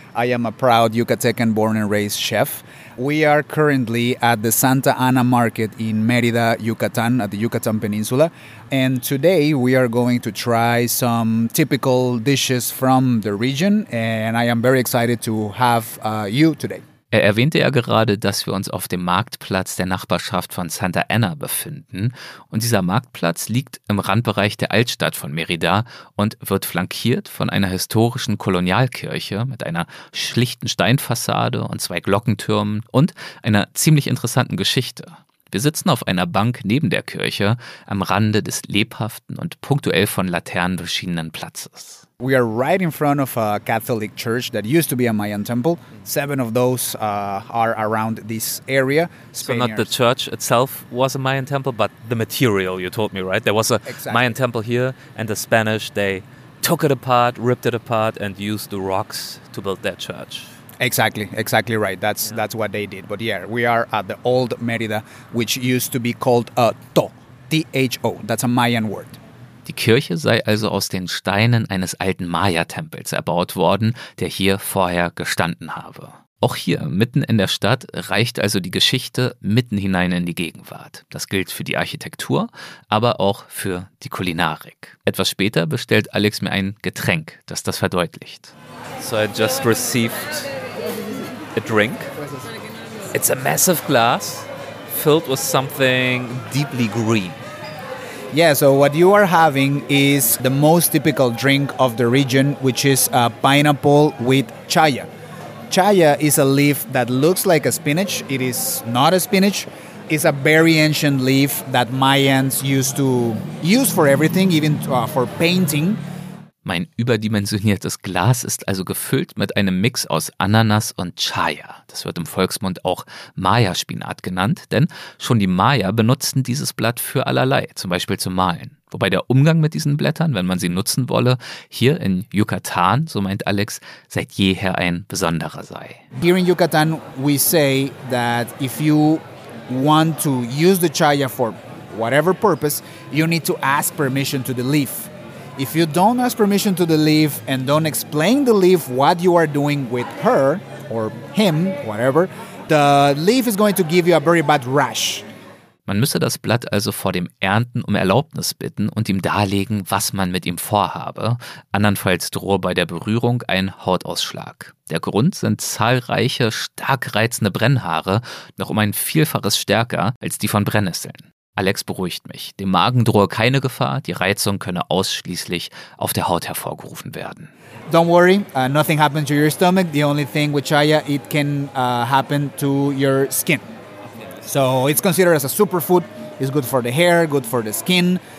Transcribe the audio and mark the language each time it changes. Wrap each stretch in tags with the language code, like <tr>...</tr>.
<en>I am a proud Yucatecan born and raised chef. We are currently at the Santa Ana Market in Mérida, Yucatan, at the Yucatan Peninsula. And today we are going to try some typical dishes from the region. And I am very excited to have you today.</en> <de>Er erwähnte ja gerade, dass wir uns auf dem Marktplatz der Nachbarschaft von Santa Ana befinden. Und dieser Marktplatz liegt im Randbereich der Altstadt von Mérida und wird flankiert von einer historischen Kolonialkirche mit einer schlichten Steinfassade und zwei Glockentürmen und einer ziemlich interessanten Geschichte. Wir sitzen auf einer Bank neben der Kirche am Rande des lebhaften und punktuell von Laternen beschienenen Platzes.</de> <en>We are right in front of a Catholic church that used to be a Mayan temple. Seven of those are around this area. Spaniards. So not the church itself was a Mayan temple, but the material, you told me, right? There was a exactly. Mayan temple here, and the Spanish, they took it apart, ripped it apart, and used the rocks to build their church. Exactly, exactly right. That's what they did. But yeah, we are at the old Mérida, which used to be called To, T-H-O. That's a Mayan word.</en> <de>Die Kirche sei also aus den Steinen eines alten Maya-Tempels erbaut worden, der hier vorher gestanden habe. Auch hier, mitten in der Stadt, reicht also die Geschichte mitten hinein in die Gegenwart. Das gilt für die Architektur, aber auch für die Kulinarik. Etwas später bestellt Alex mir ein Getränk, das das verdeutlicht.</de> <en>So I just received a drink. It's a massive glass filled with something deeply green. Yeah, so what you are having is the most typical drink of the region, which is a pineapple with chaya. Chaya is a leaf that looks like a spinach. It is not a spinach. It's a very ancient leaf that Mayans used to use for everything, even for painting.</en> <de>Mein überdimensioniertes Glas ist also gefüllt mit einem Mix aus Ananas und Chaya. Das wird im Volksmund auch Maya-Spinat genannt, denn schon die Maya benutzten dieses Blatt für allerlei, zum Beispiel zum Malen. Wobei der Umgang mit diesen Blättern, wenn man sie nutzen wolle, hier in Yucatan, so meint Alex, seit jeher ein besonderer sei.</de> <en>Here in Yucatan we say that if you want to use the Chaya for whatever purpose, you need to ask permission to the leaf. If you don't ask permission to the leaf and don't explain the leaf what you are doing with her or him, whatever, the leaf is going to give you a very bad rash.</en> <de>Man müsse das Blatt also vor dem Ernten um Erlaubnis bitten und ihm darlegen, was man mit ihm vorhabe. Andernfalls drohe bei der Berührung ein Hautausschlag. Der Grund sind zahlreiche, stark reizende Brennhaare, noch um ein Vielfaches stärker als die von Brennnesseln. Alex beruhigt mich. Dem Magen drohe keine Gefahr, die Reizung könne ausschließlich auf der Haut hervorgerufen werden.</de> <en>Don't worry, nothing happened to your stomach. The only thing with chaya, it can happen to your skin. So it's considered as a superfood. It's good for the hair, good for the skin.</en>